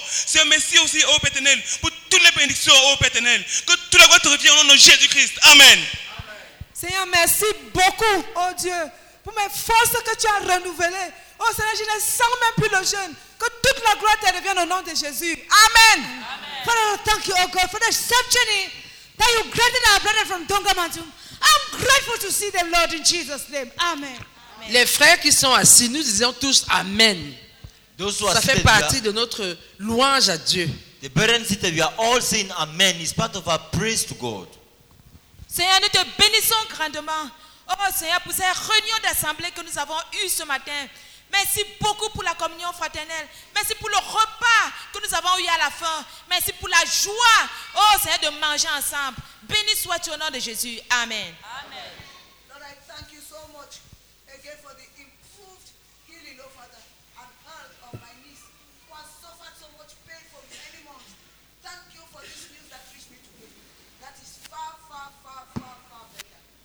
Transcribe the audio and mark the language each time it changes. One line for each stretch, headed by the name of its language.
French: Seigneur, merci aussi, oh Père éternel, pour toutes les bénédictions, oh Père éternel. Que toute la gloire te revienne au nom de Jésus-Christ. Amen. Amen. Seigneur, merci beaucoup, oh Dieu, pour mes forces que tu as renouvelées. Oh Seigneur, je ne sens même plus le jeûne. Que toute la gloire te revienne au nom de Jésus. Amen. Amen.
English: Father, thank you, oh God, for the safe journey that you granted our brother from Dongamandum. I'm grateful to see the Lord in Jesus' name. Amen. Amen.
French: Les frères qui sont assis, nous disons tous Amen. Ça fait partie de notre louange à Dieu.
English: The brethren seated, we are all saying Amen. It's part of our praise to God.
French: Seigneur, nous te bénissons grandement. Oh Seigneur, pour cette réunion d'assemblée que nous avons eue ce matin. Merci beaucoup pour la communion fraternelle. Merci pour le repas que nous avons eu à la fin. Merci pour la joie, oh Seigneur, de manger ensemble. Béni sois-tu au nom de Jésus. Amen. Amen.
English: Lord, I thank you so much again for the improved healing, oh Father, and health of my niece who has suffered so much pain for many months. Thank you for this news that reached me today. That is far, far, far, far, far better.